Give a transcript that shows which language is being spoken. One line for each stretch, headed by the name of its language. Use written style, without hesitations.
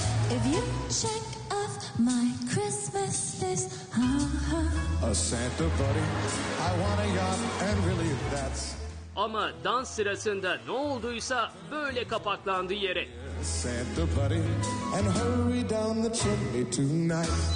English: If you check off my Christmas list, ha ha. A Santa buddy, I want a yacht and really that's...
Turkish: Ama dans sırasında ne olduysa böyle kapaklandı yere.
English: Santa buddy, and hurry down the chimney tonight.